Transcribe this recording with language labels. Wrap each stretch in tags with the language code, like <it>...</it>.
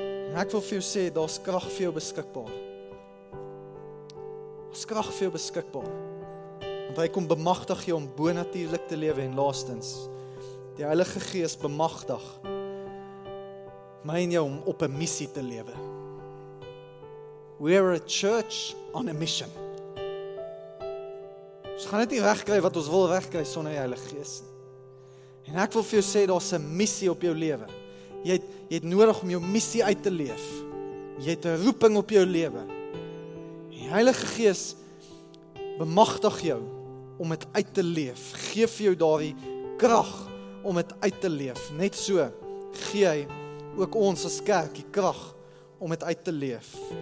<af>En ek wil vir jou sê, daar is krag vir jou beskikbaar. Daar is krag vir jou beskikbaar. Want hy kom bemagtig jou om bonatuurlik te lewe, en laastens, die Heilige Gees bemagtig my en jou om op 'n missie te lewe.</af> <en>We are a church on a mission.</en> <af>Ons gaan dit nie regkry wat ons wil regkry sonder die Heilige Gees. En ek wil vir jou sê, daar's 'n missie op jou lewe. Jy het nodig om jou missie uit te leef. Jy het 'n roeping op jou lewe. Die Heilige Gees bemagtig jou om dit uit te leef. Gee vir jou daardie krag om dit uit te leef. Net so gee hy ook ons as kerk die krag om dit uit te leef.</af>